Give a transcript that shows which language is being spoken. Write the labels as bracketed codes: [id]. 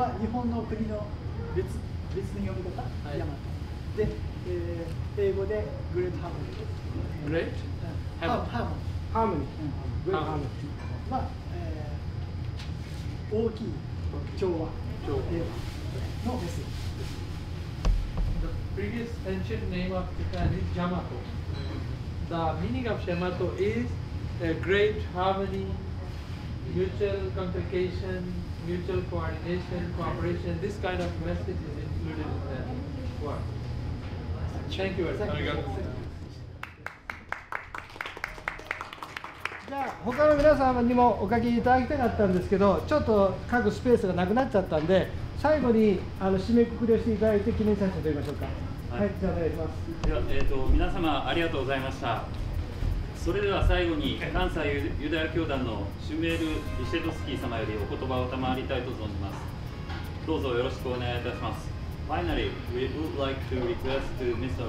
[ja] は日本の国の別の読み方、ヤマト。で、英語でグレートハーモニーです。グレート、ハーモニー。ハーモニー。うん、グレートハーモニー。大きい調和のメッセージ。 [en] The previous ancient name of Japan is Yamato. The meaning of Yamato is a great harmony, mutual communication, mutual coordination, cooperation. This kind of message is included in that word. Thank you very much. [ja] じゃあ他の皆様にもお書きいただきたかったんですけど、ちょっと書くスペースがなくなっちゃったんで、最後にあの締めくくりをしていただいて記念写真を撮りましょうか。はい、はい、じゃあお願いします。では、皆様ありがとうございました。それでは最後に関西ユダヤ教団のシュムエル・ヴィシェドスキー様よりお言葉を賜りたいと存じます。どうぞよろしくお願いいたします。 [en] Finally, we would like to request to Mr.